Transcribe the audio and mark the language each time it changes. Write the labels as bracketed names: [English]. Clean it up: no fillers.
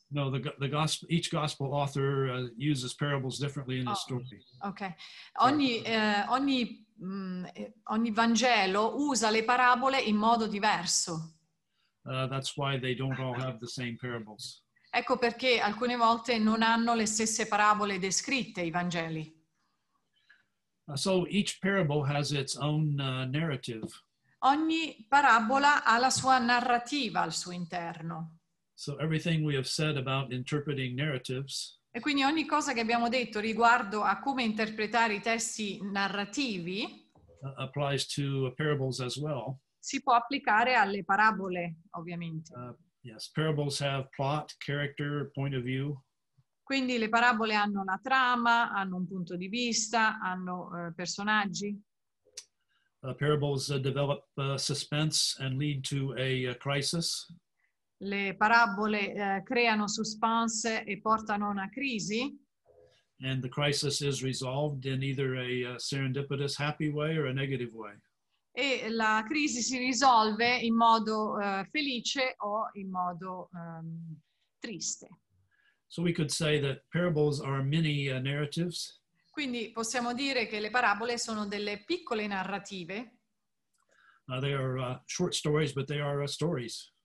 [English] No, the gospel, each gospel author uses parables differently in the story. [Italian] Okay. Ogni Vangelo usa le parabole in modo diverso. [English] That's why they don't all have the same parables. [Italian] Ecco perché alcune volte non hanno le stesse parabole descritte i Vangeli. [English] So each parable has its own narrative. [Italian] Ogni parabola ha la sua narrativa al suo interno. [English] So everything we have said about interpreting narratives. [Italian] E quindi ogni cosa che abbiamo detto riguardo a come interpretare i testi narrativi [English] applies to parables as well. [Italian] Si può applicare alle parabole, ovviamente. [English] Yes, parables have plot, character, point of view. [Italian] Quindi le parabole hanno la trama, hanno un punto di vista, hanno personaggi. [English] Parables develop suspense and lead to a crisis. [Italian] Le parabole creano suspense e portano a una crisi. [English] And the crisis is resolved in either a serendipitous happy way or a negative way. [Italian] E la crisi si risolve in modo felice o in modo triste. [English] So we could say that parables are mini narratives. [Italian] Quindi possiamo dire che le parabole sono delle piccole narrative. [English] They are short stories, but they are stories.